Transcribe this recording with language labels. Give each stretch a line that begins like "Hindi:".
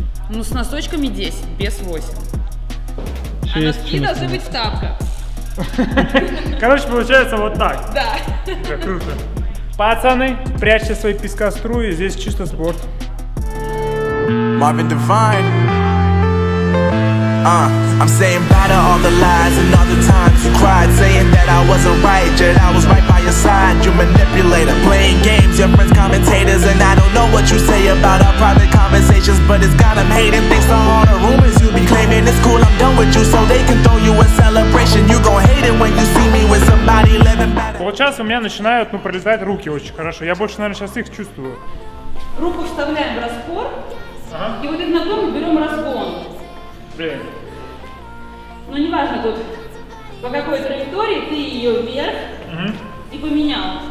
Russian: Ну, с носочками 10, без 8. 6, а носки должны быть в тапках. Короче, получается вот так. Да. Это круто. Пацаны, прячьте свои пескоструи, здесь чисто спорт.
English: Marvin Devine. I'm saying bye to all the lies and all the times you cried, saying that I wasn't right, yet I was right by your side. You manipulator, playing games, your friends commentators, and I don't know what you say about our private conversations, but it's got them hating things on all the rumors you be claiming. It's cool, I'm done with you, so they can throw you a celebration. You gon' hate it when you see me with somebody living better.
Russian: сейчас у меня начинают, ну, пролезать руки очень хорошо. Я больше, наверное, сейчас их чувствую. Руку вставляем в распор. Ага. И вот этот наклон берем разгон. Блин. Ну, не важно тут, по какой траектории ты ее вверх, угу, и поменял.